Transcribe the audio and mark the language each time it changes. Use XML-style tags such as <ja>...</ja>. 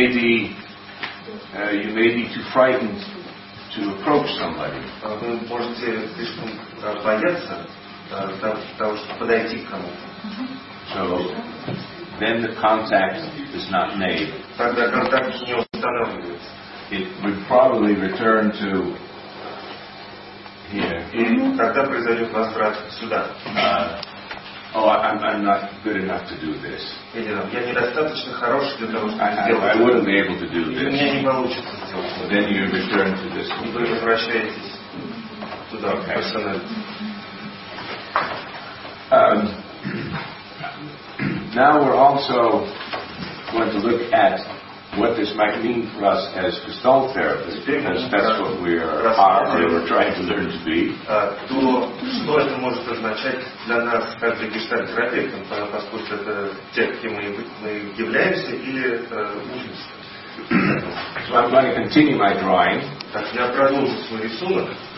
<en>You may be too frightened to approach somebody.</en> <ru>Вы можете слишком бояться того, чтобы подойти к кому-то.</ru> <en>So. Then the contact is not made.</en> <ru>Тогда контакт не устанавливается.</ru> <en>It would probably return to here.</en> <ru>И тогда произойдет возврат сюда.</ru> <en>I'm not good enough to do this.</en> <ru>Я недостаточно хороший для того, чтобы это сделать.</ru> <en>I wouldn't be able to do this.</en> <ru>Мне не получится сделать.</ru> <en>But then you return to this.</en> <ru>И вы возвращаетесь туда, к персоналу.</ru> <en>Now we're also going to look at what this might mean for us as Gestalt therapists, because that's what we are trying to learn to be.</en> <ru>Что это может означать для нас как для гештальт-терапевтов, поскольку это те, кем мы являемся или учимся.</ru> <en>So I'm going to continue my drawing.</en> <ru>Так я продолжу свой рисунок.</ru>